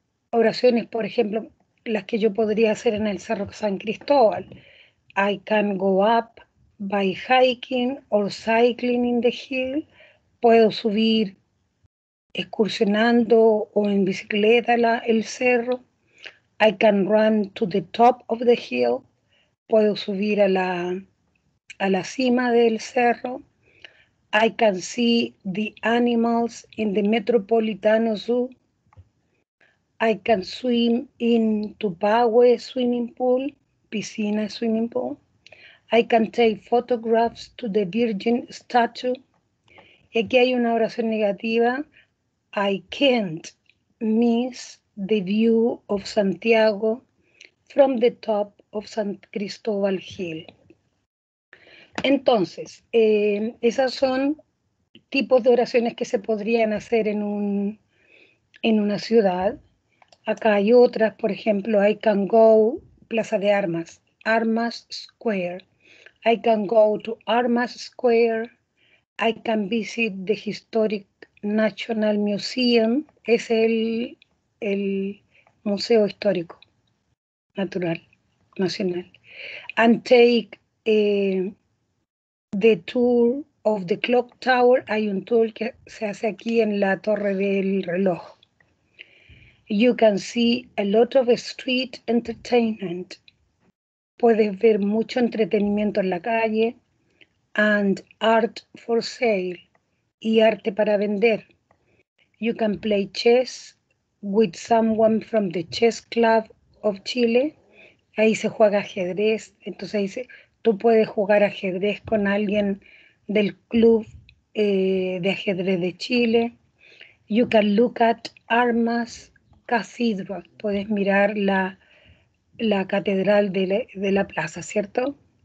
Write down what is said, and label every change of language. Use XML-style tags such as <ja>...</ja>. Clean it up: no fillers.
<es>Oraciones, por ejemplo, las que yo podría hacer en el Cerro San Cristóbal.</es> <en>I can go up by hiking or cycling in the hill.</en> <es>Puedo subir excursionando o en bicicleta el cerro.</es> <en>I can run to the top of the hill.</en> <es>Puedo subir a la cima del cerro.</es> <en>I can see the animals in the Metropolitan Zoo. I can swim in Tubawe swimming pool, piscina swimming pool. I can take photographs to the Virgin statue.</en> <es>Y aquí hay una oración negativa.</es> <en>I can't miss the view of Santiago from the top of San Cristóbal Hill.</en> <es>Entonces, esas son tipos de oraciones que se podrían hacer en una ciudad. Acá hay otras, por ejemplo,</es> <en>I can go Plaza de Armas, Armas Square. I can go to Armas Square. I can visit the Historic National Museum.</en> <es>Es el Museo Histórico Natural Nacional.</es> <en>And take the tour of the clock tower.</en> <es>Hay un tour que se hace aquí en la Torre del Reloj.</es> <en>You can see a lot of street entertainment.</en> <es>Puedes ver mucho entretenimiento en la calle.</es> <en>And art for sale.</en> <es>Y arte para vender.</es> <en>You can play chess with someone from the Chess Club of Chile.</en> <es>Ahí se juega ajedrez. Entonces dice, tú puedes jugar ajedrez con alguien del club de ajedrez de Chile.</es> <en>You can look at Armas Cathedral.</en> <es>Puedes mirar la catedral de la plaza, ¿cierto?</es>